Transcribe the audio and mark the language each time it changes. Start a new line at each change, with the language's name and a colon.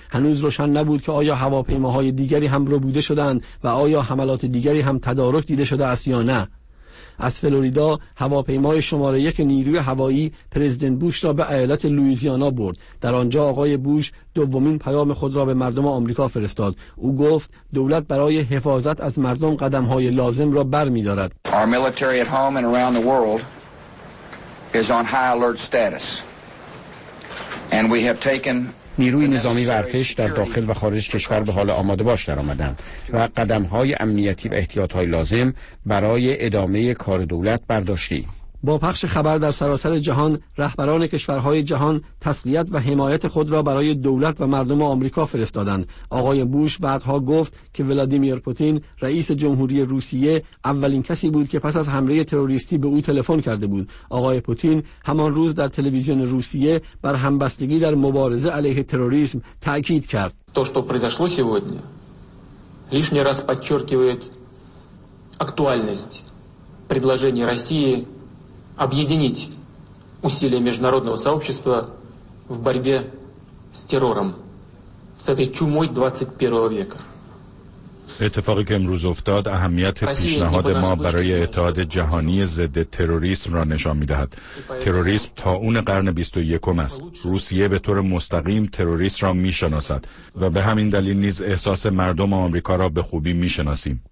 Persian: هنوز روشن نبود که آیا هواپیماهای دیگری هم ربوده شدند و آیا حملات دیگری هم تدارک دیده شده است یا نه. از فلوریدا هواپیمای شماره 1 نیروی هوایی پرزیدنت بوش را به ایالت لوئیزیانا برد. در آنجا آقای بوش دومین پیام خود را به مردم آمریکا فرستاد. او گفت دولت برای حفاظت از مردم قدم‌های لازم را برمی‌دارد.
English: Our military at home and around the world is on high alert status. And we have taken
Persian: نیروی نظامی و ارتش در داخل و خارج کشور به حال آماده باش در آمدند و قدم‌های امنیتی و احتیاط‌های لازم برای ادامه کار دولت برداشتیم. با پخش خبر در سراسر جهان، رهبران کشورهای جهان تسلیت و حمایت خود را برای دولت و مردم آمریکا فرستادند. آقای بوش بعدها گفت که ولادیمیر پوتین، رئیس جمهوری روسیه، اولین کسی بود که پس از حمله تروریستی به او تلفن کرده بود. آقای پوتین همان روز در تلویزیون روسیه بر همبستگی در مبارزه علیه تروریسم تاکید کرد.
Russian: То, что произошло сегодня, лишний раз подчёркивает актуальность предложений России объединить усилия международного сообщества в борьбе с террором, с этой чумой 21 века.
Persian: اتفاقی که امروز افتاد اهمیت پیشنهاد ما برای اتحاد جهانی ضد تروریسم را نشان می‌دهد. تروریسم تا اون قرن 21 است. روسیه به طور مستقیم تروریسم را می‌شناسد و به همین دلیل نیز احساس مردم آمریکا را به خوبی می‌شناسیم.